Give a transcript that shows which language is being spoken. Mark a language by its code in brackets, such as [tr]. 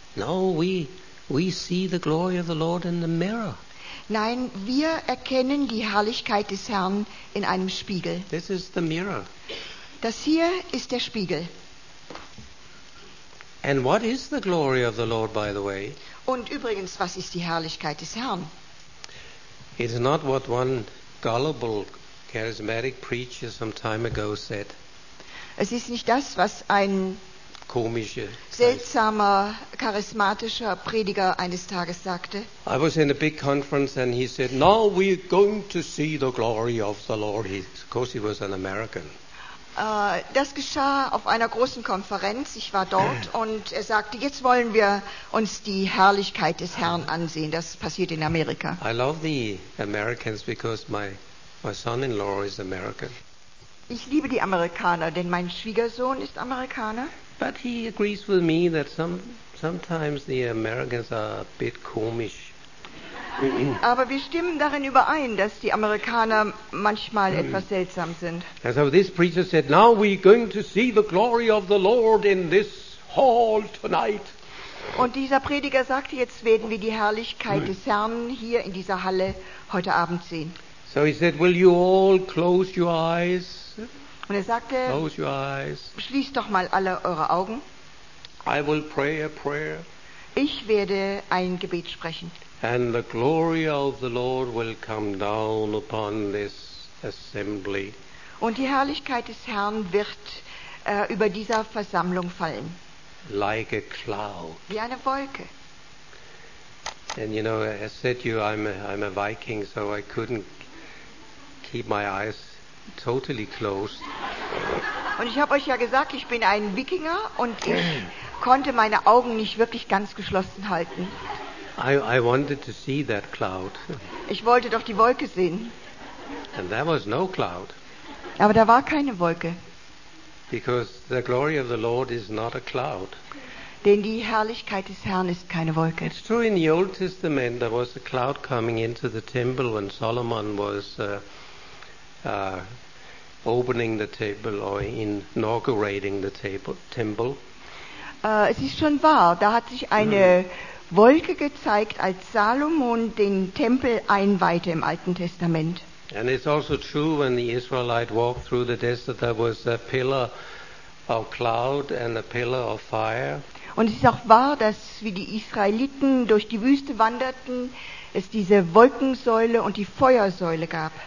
[en] No, we see the glory of the Lord in the mirror. [de] Nein, wir erkennen die Herrlichkeit des Herrn in einem Spiegel. [en] This is the mirror. [de] Das hier ist der Spiegel. [en] And what is the glory of the Lord, by the way? [de] Und übrigens, was ist die Herrlichkeit des Herrn? [en] It is not what one gullible charismatic preacher some time ago said. [de] Es ist nicht das, was ein seltsamer charismatischer Prediger eines Tages sagte. [en] I was in a big conference and he said, "Now we're going to see the glory of the Lord." He, of course, he was an American. [de] Das geschah auf einer großen Konferenz. Ich war dort und er sagte, jetzt wollen wir uns die Herrlichkeit des Herrn ansehen. Das passiert in Amerika. [en] I love the Americans because my son-in-law is American. [de] Ich liebe die Amerikaner, denn mein Schwiegersohn ist Amerikaner. [en] But he agrees with me that sometimes the Americans are a bit komisch. [de] Aber wir stimmen darin überein, dass die Amerikaner manchmal etwas seltsam sind. [en] And so this preacher said, "Now we're going to see the glory of the Lord in this hall tonight." [de] Und dieser Prediger sagte, jetzt werden wir die Herrlichkeit des Herrn hier in dieser Halle heute Abend sehen. [en] So he said, "Will you all close your eyes?" [de] Und er sagte, [en] "Close your eyes. [de] Schließt doch mal alle eure Augen." [en] I will pray a prayer. [de] Ich werde ein Gebet sprechen. [en] And the glory of the Lord will come down upon this assembly. [de] Und die Herrlichkeit des Herrn wird über dieser Versammlung fallen. [en] Like a cloud. [de] Wie eine Wolke. [en] And you know, I said to you, I'm a Viking, so I couldn't keep my eyes totally closed. [de] Und ich habe euch ja gesagt, ich bin ein Wikinger und ich konnte meine Augen nicht wirklich ganz geschlossen halten. [en] I wanted to see that cloud. [de] Ich wollte doch die Wolke sehen. [en] And there was no cloud. [de] Aber da war keine Wolke. [en] Because the glory of the Lord is not a cloud. [de] Denn die Herrlichkeit des Herrn ist keine Wolke. [en] It's true in the Old Testament there was a cloud coming into the temple when Solomon was opening the temple or inaugurating the temple. [de] Es ist schon wahr, da hat sich eine Wolke gezeigt, als Salomon den Tempel einweihte im Alten Testament. [en] And it's also true when the Israelite walked through the desert, there was a pillar of cloud and a pillar of fire. [de] Und es ist auch wahr, dass wie die Israeliten durch die Wüste wanderten, es diese Wolkensäule und die Feuersäule gab.